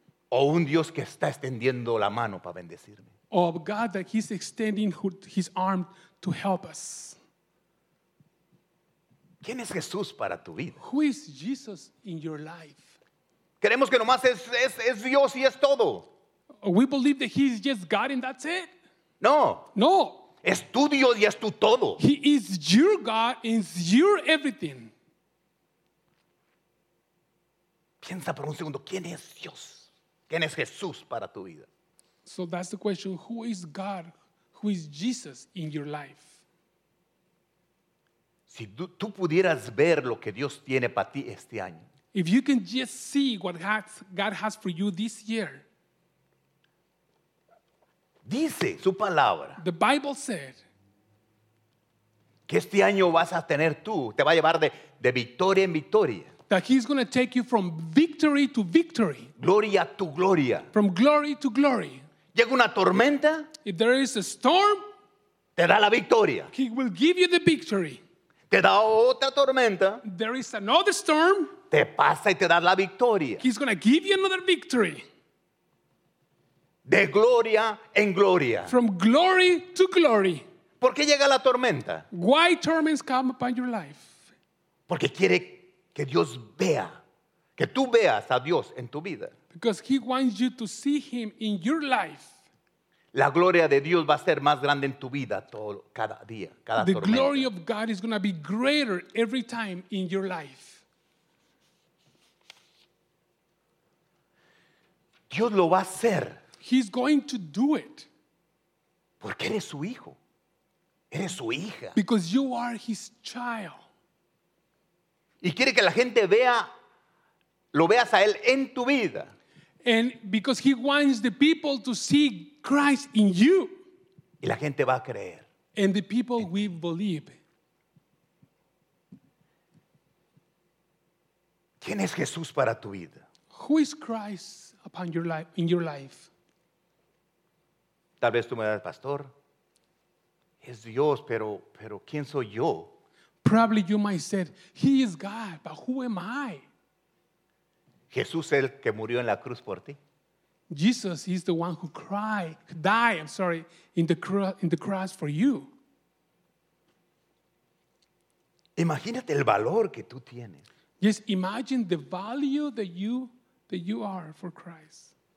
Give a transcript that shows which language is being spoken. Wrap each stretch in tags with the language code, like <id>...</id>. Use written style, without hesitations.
<es>O un Dios que está extendiendo la mano para bendecirme.</es> <en>Or a God that he's extending his arm to help us.</en> <es>¿Quién es Jesús para tu vida?</es> <en>Who is Jesus in your life?</en> <es>Creemos que nomás es Dios y es todo.</es> <en>We believe that he's just God and that's it.</en> <es>No.</es> <en>No.</en> <es>Es tu Dios y es tu todo.</es> <en>He is your God and is your everything.</en> <es>Piensa por un segundo, ¿quién es Dios? ¿Quién es Jesús para tu vida?</es> <en>So that's the question, who is God? Who is Jesus in your life?</en> <es>Si tú pudieras ver lo que Dios tiene para ti este año.</es> <en>If you can just see what God has for you this year.</en> <es>Dice su palabra.</es> <en>The Bible said.</en> <es>Que este año vas a tener tú. Te va a llevar de victoria en victoria.</es> <en>That he's going to take you from victory to victory.</en> <es>Gloria to gloria.</es> <en>From glory to glory.</en> <es>Llega una tormenta.</es> <en>If there is a storm.</en> <es>Te da la victoria.</es> <en>He will give you the victory.</en> <es>Te da otra tormenta.</es> <en>There is another storm.</en> <es>Te pasa y te da la victoria.</es> <en>He's going to give you another victory.</en> <es>De gloria en gloria.</es> <en>From glory to glory.</en> <es>¿Por qué llega la tormenta?</es> <en>Why torments come upon your life?</en> <es>Porque quiere que Dios vea, que tú veas a Dios en tu vida.</es> <en>Because he wants you to see him in your life.</en> <es>La gloria de Dios va a ser más grande en tu vida todo, cada día, cada</es> <en>the</en> <es>tormenta.</es> <en>The glory of God is going to be greater every time in your life.</en> <es>Dios lo va a hacer.</es> <en>He's going to do it.</en> <es>Porque eres su hijo. Eres su hija.</es> <en>Because you are his child.</en> <es>Y quiere que la gente vea, lo veas a él en tu vida.</es> <en>And because he wants the people to see Christ in you.</en> <es>Y la gente va a creer.</es> <en>And the people will believe.</en> <es>¿Quién es Jesús para tu vida?</es> <en>Who is Christ upon your life, in your life?</en> <es>Tal vez tú me das, pastor, es Dios, pero ¿quién soy yo?</es> <en>Probably you might say, he is God, but who am I?</en> <es>Jesús es el que murió en la cruz por ti.</es> <en>Jesus is the one who died in the cross for you.</en> <es>Imagínate el valor que tú tienes.</es> <en>Just imagine the value that you are for Christ.</en>